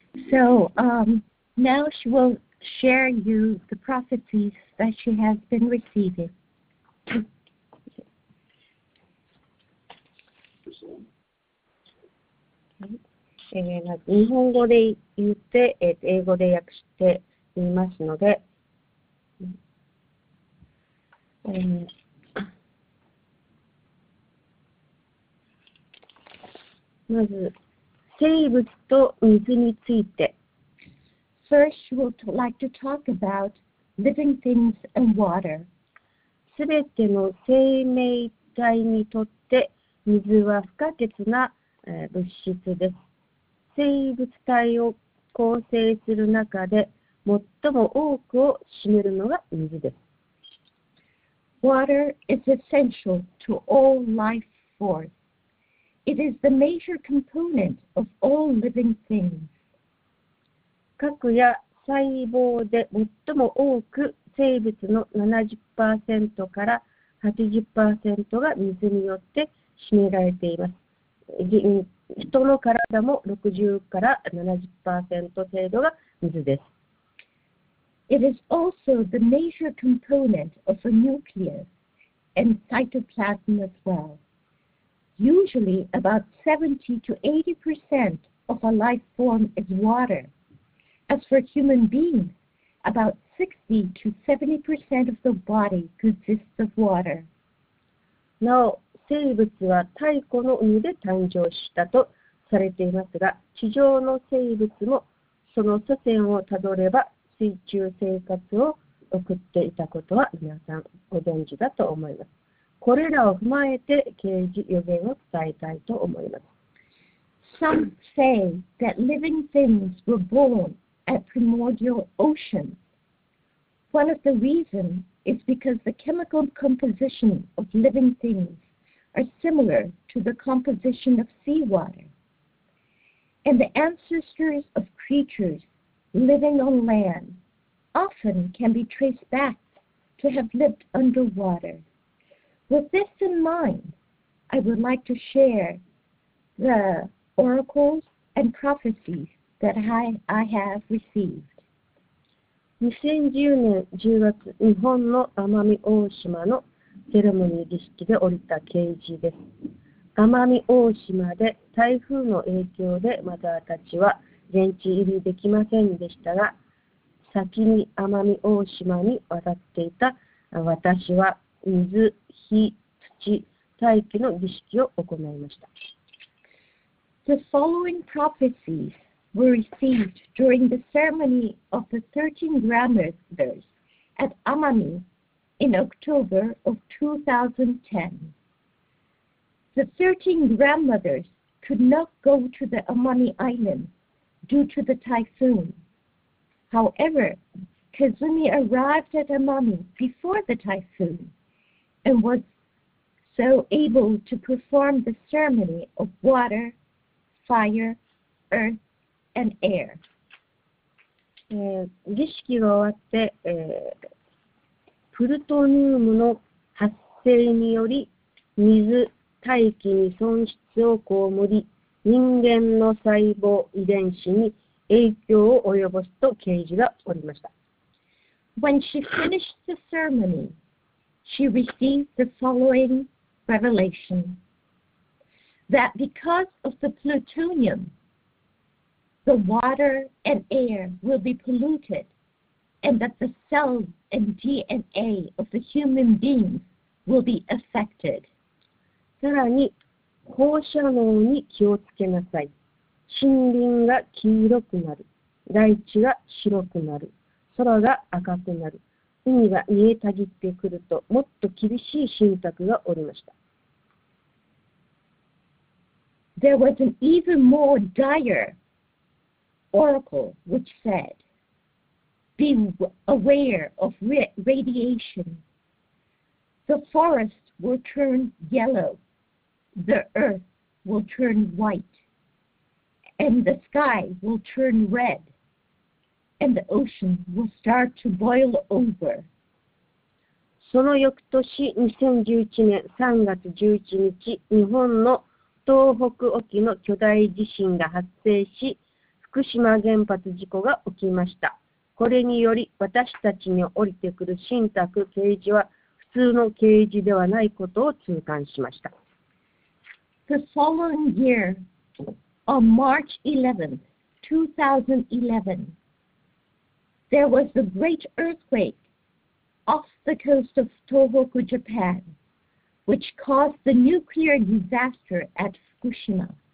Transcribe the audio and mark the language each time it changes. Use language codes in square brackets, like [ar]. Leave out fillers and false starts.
[en] So now she will share you the prophecies that she has been receiving. [ja] Okay. 日本語で言って、英語で訳して言いますので、まず生物と水について。 [en] First, she would like to talk about living things and water. [ja] すべての生命体にとって水は不可欠な物質です。生物体を構成する中で最も多くを占めるのが水です。 [en] Water is essential to all life forms. It is the major component of all living things. [ja] 核や細胞で最も多く生物の 70% から 80% が水によって占められています。人の体も60から 70% 程度が水です。 [en] It is also the major component of a nucleus and cytoplasm as well. Usually about 70 to 80% of a life form is water. As for human beings, about 60 to 70% of the body consists of water. [ja] なお、生物は太古の海で誕生したとされていますが、地上の生物もその祖先をたどれば水中生活を送っていたことは皆さんご存知だと思います。これらを踏まえて啓示予言を伝えたいと思います。 [en] Some say that living things were born at primordial oceans. One of the reasons is because the chemical composition of living things are similar to the composition of seawater. And the ancestors of creatures living on land often can be traced back to have lived underwater. With this in mind, I would like to share the oracles and prophecies that I have received. [ja] 2010年10月、日本の奄美大島のセレモニー儀式で降りた啓示です。奄美大島で台風の影響でマザーたちは現地入りできませんでしたが、先に奄美大島に渡っていた私は水、火、土、大気の儀式を行いました。 [en] The following prophecies were received during the ceremony of the 13 grandmothers at Amami in October of 2010. The 13 grandmothers could not go to the Amami Island due to the typhoon. However, Kazumi arrived at Amami before the typhoon and was so able to perform the ceremony of water, fire, earth, and air. [ja] 儀式が終わって、プルトニウムの発生により水、大気に損失を被り、人間の細胞遺伝子に影響を及ぼすと啓示がおりました。 [en] When she finished the ceremony, she received the following revelation that because of the plutonium, the water and air will be polluted, and that the cells and DNA of the human beings will be affected. [ja] さらに、放射能に気をつけなさい。森林が黄色くなる。大地が白くなる。空が赤くなる。海が煮えたぎってくると、もっと厳しい信託がおりました。 [en] There was an even more dire oracle which said, Be aware of radiation. The forest will turn yellow. The earth will turn white. And the sky will turn red. And the ocean will start to boil over. [ja] その翌年、2011年3月11日、日本の東北沖の巨大地震が発生し、福島原発事故が起きました。これにより、私たちに降りてくる信託啓示は、普通の啓示ではないことを痛感しました。 [en] The following year, on March 11, 2011, there was a great earthquake off the coast of Tohoku, Japan, which caused the nuclear disaster at Fukushima.